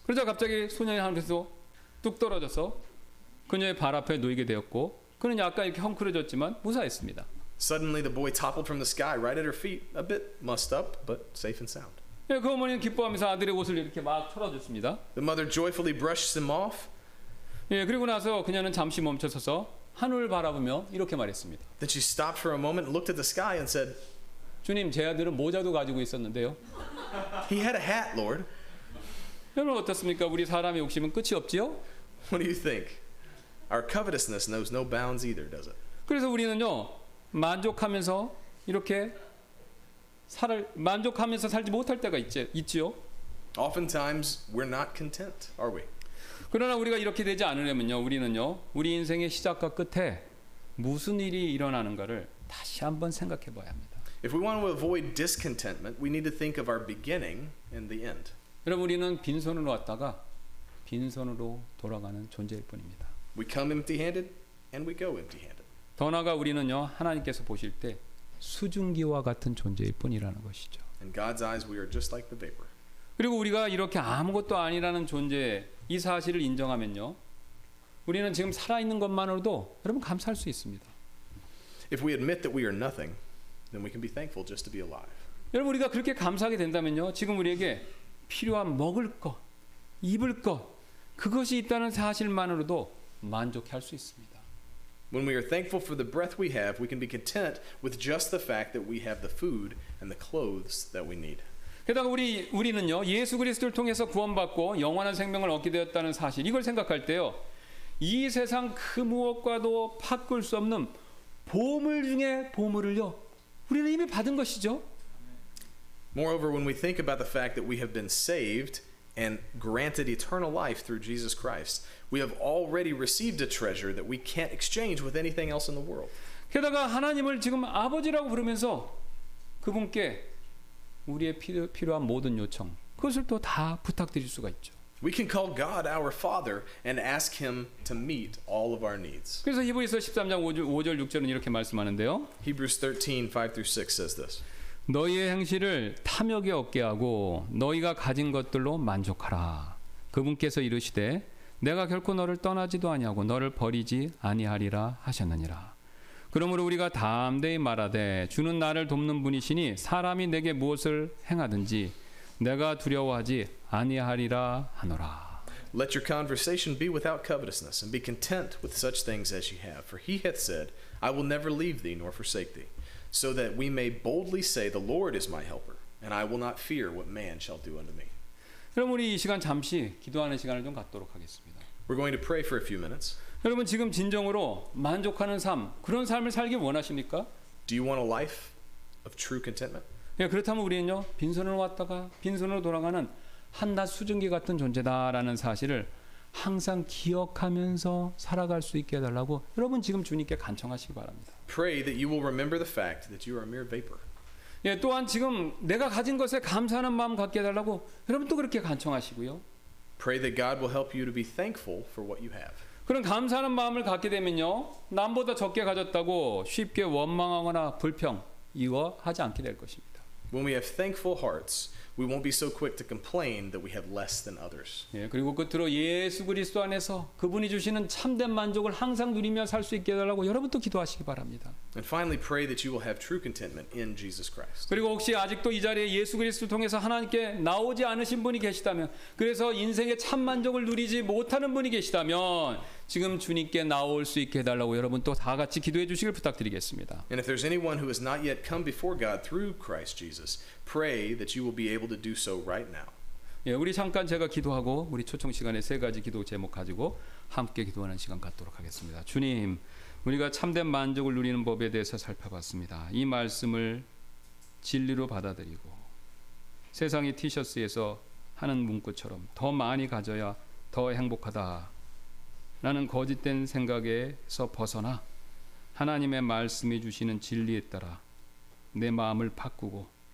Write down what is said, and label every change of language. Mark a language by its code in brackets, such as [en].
[ko] 그러자 갑자기 소년이 하나님께서 뚝 떨어져서 그녀의 발 앞에 놓이게 되었고 그는 약간 이렇게 헝클어졌지만 무사했습니다. [en] Suddenly the boy toppled from the sky right at her feet, a bit mussed up, but safe and sound. [ko] 예, 그 어머니는 기뻐하면서 아들의 옷을 이렇게 막 털어줬습니다. [en] The mother joyfully brushed them off. [ko] 예, 그리고 나서 그녀는 잠시 멈춰서서 하늘을 바라보며 이렇게 말했습니다. [en] Then she stopped for a moment and looked at the sky and said, [ko] 주님, 제 아들은 모자도 가지고 있었는데요. [en] He had a hat, Lord. [ko] 여러분 어떻습니까? 우리 사람의 욕심은 끝이 없지요? [en] What do you think? Our covetousness knows no bounds either, does it? [ko] 그래서 우리는요, 만족하면서 이렇게 만족하면서 살지 못할 때가 있지요. [en] Oftentimes we're not content, are we? [ko] 그러나 우리가 이렇게 되지 않으려면요, 우리는요, 우리 인생의 시작과 끝에 무슨 일이 일어나는가를 다시 한번 생각해봐야 합니다. [en] If we want to avoid discontentment, we need to think of our beginning and the end. [ko] 여러분 우리는 빈손으로 왔다가 빈손으로 돌아가는 존재일 뿐입니다. [en] We come empty-handed and we go empty-handed. [ko] 더 나아가 우리는요 하나님께서 보실 때 수증기와 같은 존재일 뿐이라는 것이죠. [en] In God's eyes, we are just like the vapor. [ko] 그리고 우리가 이렇게 아무것도 아니라는 존재 이 사실을 인정하면요 우리는 지금 살아있는 것만으로도 여러분 감사할 수 있습니다. [en] If we admit that we are nothing, then we can be thankful just to be alive. [ko] 여러분 우리가 그렇게 감사하게 된다면요 지금 우리에게 필요한 먹을 것, 입을 것, 그것이 있다는 사실만으로도 만족할 수 있습니다. [en] When we are thankful for the breath we have, we can be content with just the fact that we have the food and the clothes that we need. [ko] 그다음 우리는요 예수 그리스도를 통해서 구원받고 영원한 생명을 얻게 되었다는 사실 이걸 생각할 때요 이 세상 그 무엇과도 바꿀 수 없는 보물 중에 보물을요 우리는 이미 받은 것이죠. [en] Moreover, when we think about the fact that we have been saved and granted eternal life through Jesus Christ, we have already received a treasure that we can't exchange with anything else in the world. [ko] 게다가 하나님을 지금 아버지라고 부르면서 그분께 우리의 필요한 모든 요청 그것을 또 다 부탁드릴 수가 있죠. [en] We can call God our Father and ask Him to meet all of our needs. [ko] 그래서 히브리서 13장 5절 6절은 이렇게 말씀하는데요. [en] Hebrews 13, 5 through 6 says this. [ko] 너희의 행실을 탐욕에 없게 하고 너희가 가진 것들로 만족하라. 그분께서 이르시되 내가 결코 너를 떠나지도 아니하고 너를 버리지 아니하리라 하셨느니라. 그러므로 우리가 담대히 말하되 주는 나를 돕는 분이시니 사람이 내게 무엇을 행하든지 내가 두려워하지 아니하리라 하노라. [en] Let your conversation be without covetousness and be content with such things as you have. For he hath said, I will never leave thee nor forsake thee. So that we may boldly say, the Lord is my helper, and I will not fear what man shall do unto me. [ko] 여러분 우리 이 시간 잠시 기도하는 시간을 좀 갖도록 하겠습니다. [en] We're going to pray for a few minutes. [ko] 여러분 지금 진정으로 만족하는 삶 그런 삶을 살기 원하십니까? [en] Do you want a life of true contentment? [ko] 예, 그렇다면 우리는요 빈손으로 왔다가 빈손으로 돌아가는 한낮 수증기 같은 존재다라는 사실을 항상 기억하면서 살아갈 수 있게 해달라고 여러분 지금 주님께 간청하시기 바랍니다. [en] Pray that you will remember the fact that you are a mere vapor. [ko] 예, 또한 지금 내가 가진 것에 감사하는 마음 갖게 해달라고 여러분 또 그렇게 간청하시고요. [en] Pray that God will help you to be thankful for what you have. [ko] 그런 감사하는 마음을 갖게 되면요 남보다 적게 가졌다고 쉽게 원망하거나 불평 이거하지 않게 될 것입니다. [en] When we have thankful hearts, we won't be so quick to complain that we have less than others. [ko] 예, 그리고 끝으로 예수 그리스도 안에서 그분이 주시는 참된 만족을 항상 누리며 살 수 있게 해달라고 여러분도 기도하시기 바랍니다. [en] And finally, pray that you will have true contentment in Jesus Christ. [ko] 그리고 혹시 아직도 이 자리에 예수 그리스도 통해서 하나님께 나오지 않으신 분이 계시다면, 그래서 인생의 참 만족을 누리지 못하는 분이 계시다면. 지금 주님께 나올 수 있게 해달라고 여러분 또 다 같이 기도해 주시길 부탁드리겠습니다. [en] And if there's anyone who has not yet come before God through Christ Jesus, pray that you will be able to do so right now. [ko] 예, 우리 잠깐 제가 기도하고 우리 초청 시간에 세 가지 기도 제목 가지고 함께 기도하는 시간 갖도록 하겠습니다. 주님, 우리가 참된 만족을 누리는 법에 대해서 살펴봤습니다. 이 말씀을 진리로 받아들이고 세상의 티셔츠에서 하는 문구처럼 더 많이 가져야 더 행복하다 라는 거짓된 생각에서 벗어나 하나님의 말씀이 주시는 진리에 따라 내 마음을 바꾸고